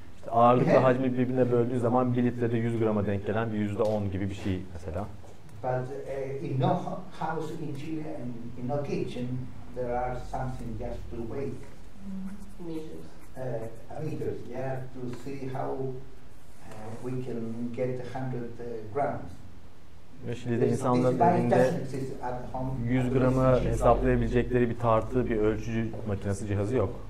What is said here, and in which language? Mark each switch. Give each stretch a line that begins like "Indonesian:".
Turkish: Ağırlıkla hacmi birbirine böldüğü zaman 1 litrede 100 grama denk gelen bir %10 gibi bir şey mesela.
English: But in no house in Chile and in no kitchen, there are something just to wait. Meters, yeah, to see how we can get 100 grams.
Turkish: Şili'de insanların evinde 100 gramı hesaplayabilecekleri bir tartı, bir ölçü makinesi cihazı yok.